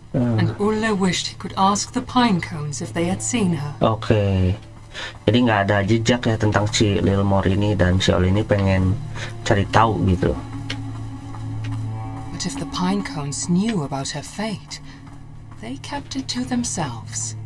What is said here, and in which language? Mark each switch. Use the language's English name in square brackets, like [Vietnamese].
[English] And Ulle wished he could ask the pine cones if they had seen her. [Indonesian] Oke. Jadi nggak ada jejak ya tentang si Lil Mor ini, dan si Ol ini pengen cari tahu gitu. [English] But if the pine cones knew about her fate, they kept it to themselves.